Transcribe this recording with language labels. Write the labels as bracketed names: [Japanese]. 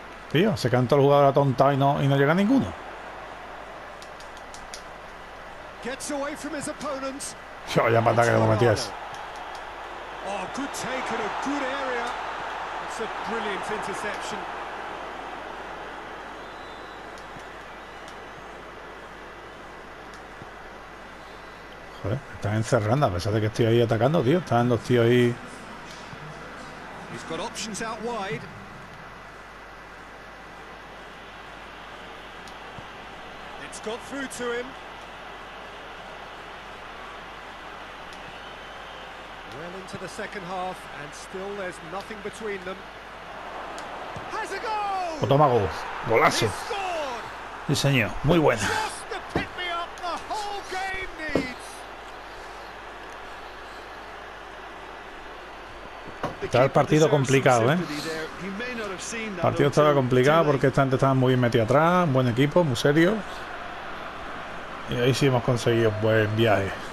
[Spanish] Tío, se quedan todos los jugadores atontados y no llega ninguno. [English] Gets away from his opponents. [Spanish] Yo ya mata que lo metías. [English] Oh, good take and a good area. It's a brilliant interception. [Spanish] Joder, me están encerrando a pesar de que estoy ahí atacando, tío. Están los tíos ahí. [English] He's got options out wide. Got through to him. Well into the second half, and still there's nothing between them. Has a goal! [Spanish] Oh, toma, gol. Golazo. Sí, señor. Muy buena. [English] Just to pick me up, the whole game needs. [Spanish] Está el partido complicado, ¿eh? El partido estaba complicado porque esta gente estaba muy bien metida atrás. Un buen equipo, muy serio. Y ahí sí hemos conseguido un buen viaje.